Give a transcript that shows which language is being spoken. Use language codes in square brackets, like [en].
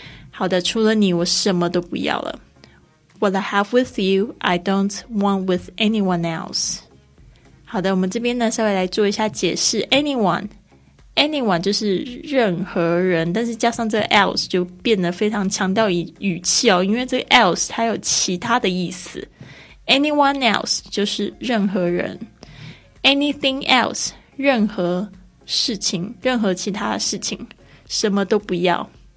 [zh] 好的，除了你我什么都不要了。 [en] What I have with you, I don't want with anyone else. [zh] 好的，我们这边呢稍微来做一下解释。 Anyone, anyone 就是任何人，但是加上这个 else 就变得非常强调语气哦，因为这个 else 它有其他的意思。 Anyone else 就是任何人。Anything else 任何事情，任何其他的事情，什么都不要。